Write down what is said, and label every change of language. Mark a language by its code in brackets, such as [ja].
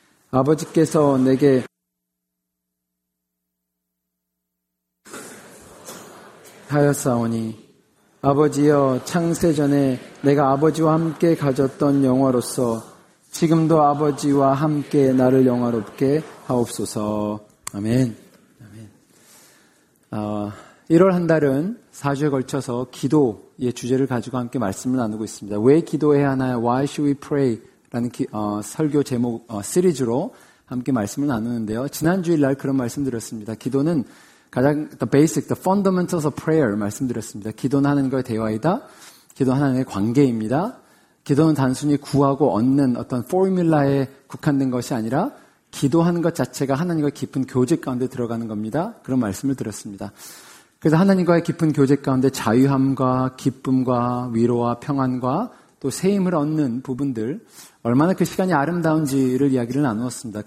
[ko] 아버지께서 내게 하였사오니 아버지여 창세전에 내가 아버지와 함께 가졌던 영화로서 지금도 아버지와 함께 나를 영화롭게 하옵소서. 아멘. 아멘. 1월 한 달은 4주에 걸쳐서 기도의 주제를 가지고 함께 말씀을 나누고 있습니다. 왜 기도해야 하나요? [en] Why should we pray? [ko] 라는 설교 제목 시리즈로 함께 말씀을 나누는데요. 지난주일 날 그런 말씀 드렸습니다. 기도는 가장 [en] the basic, the fundamentals of prayer [ko] 말씀드렸습니다. 기도는 하나님과의 대화이다. 기도는 하나님의 관계입니다. 기도는 단순히 구하고 얻는 어떤 포뮬라에 국한된 것이 아니라 기도하는 것 자체가 하나님과의 깊은 교제 가운데 들어가는 겁니다. 그런 말씀을 드렸습니다. 그래서 하나님과의 깊은 교제 가운데 자유함과 기쁨과 위로와 평안과 또 새 힘을 얻는 부분들 얼마나 그 시간이 아름다운지를 이야기를 나누었습니다.